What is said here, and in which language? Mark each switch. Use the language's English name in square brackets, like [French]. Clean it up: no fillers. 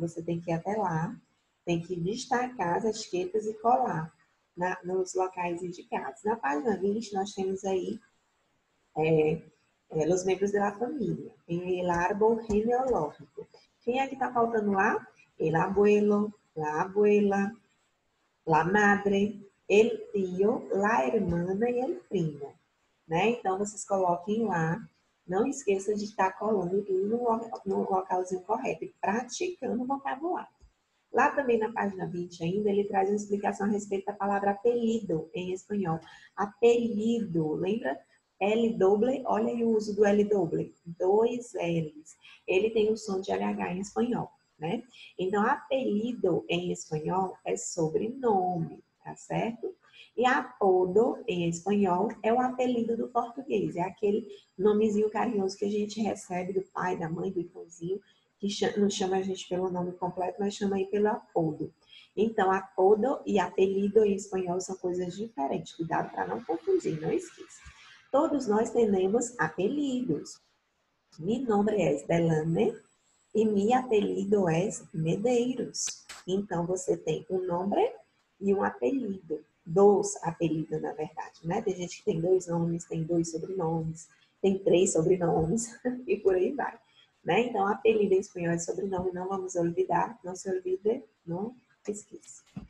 [Portuguese] Você tem que ir até lá, tem que destacar as etiquetas e colar nos locais indicados. Na página 20, nós temos aí os membros da família, [Spanish] em el árbol genealógico. [Portuguese] Quem é que está faltando lá? [Spanish] El abuelo, la abuela, la madre, el tío, la hermana y el primo. [Portuguese] Né? Então, vocês coloquem lá. Não esqueça de estar colando tudo no localzinho correto e praticando o vocabulário. Lá também na página 20 ainda, ele traz uma explicação a respeito da palavra apelido em espanhol. Apelido, lembra? L doble, olha aí o uso do L doble, dois L's. Ele tem o som de LH em espanhol, né? Então, apelido em espanhol é sobrenome, tá certo? E apodo, em espanhol, é o apelido do português. É aquele nomezinho carinhoso que a gente recebe do pai, da mãe, do irmãozinho, que não chama a gente pelo nome completo, mas chama aí pelo apodo. Então, apodo e apelido em espanhol são coisas diferentes. Cuidado para não confundir, não esqueça. Todos nós temos apelidos. [Spanish] Mi nombre es Delane e mi apelido es Medeiros. [Portuguese] Então, você tem um nome e um apelido. Dois apelidos, na verdade, né? Tem gente que tem dois nomes, tem dois sobrenomes, tem três sobrenomes e por aí vai, né? Então, apelido em espanhol é sobrenome, não vamos olvidar, não se olvide, não esqueça.